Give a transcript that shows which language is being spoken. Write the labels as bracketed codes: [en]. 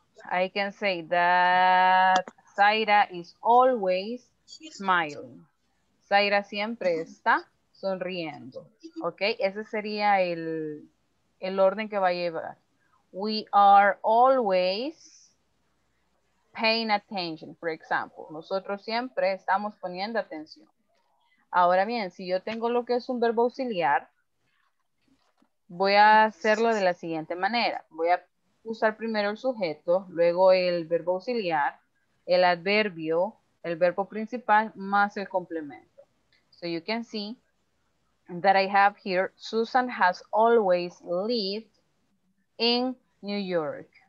[en] I can say that Zaira is always smiling. [es] Zaira siempre está sonriendo. Ok, ese sería el orden que va a llevar. [en] We are always paying attention, for example. [es] Nosotros siempre estamos poniendo atención. Ahora bien, si yo tengo lo que es un verbo auxiliar, voy a hacerlo de la siguiente manera. Voy a usar primero el sujeto, luego el verbo auxiliar, el adverbio, el verbo principal, más el complemento. [en] So you can see that I have here, Susan has always lived in New York.